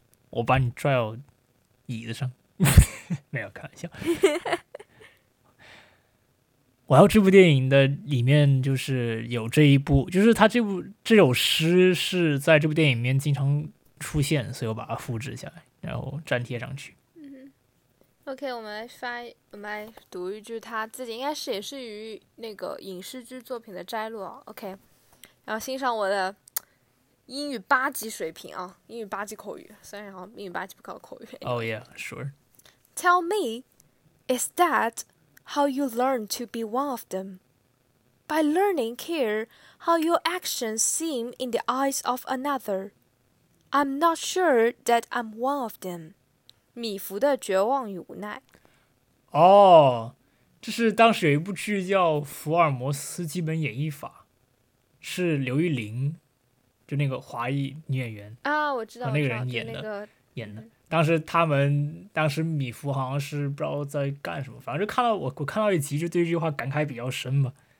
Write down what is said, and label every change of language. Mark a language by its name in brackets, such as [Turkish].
[Chinese] 我把你拽到椅子上没有开玩笑我要这部电影的里面就是有这一部，就是他这部这首诗是在这部电影里面经常出现，所以我把它复制下来然后粘贴上去。嗯 OK， 我们来读一句他自己，应该是也是于那个影视剧作品的摘录、哦、OK， 然后欣赏我的英语八级水平啊，英语八级口语，虽然好像英语八级不考口语。 [English] Oh yeah sure。 Tell me, is that how you learn to be one of them? By learning care how your actions seem in the eyes of another. I'm not sure that I'm one of them. [Chinese] 米芾的绝望与无奈。哦，这是当时有一部剧叫《福尔摩斯基本演绎法》，是刘玉玲，就那个华裔女演员啊，我知道那个人演的、那个、演的。当时他们，当时米芾好像是不知道在干什么，反正就看到我看到一集就对这句话感慨比较深嘛。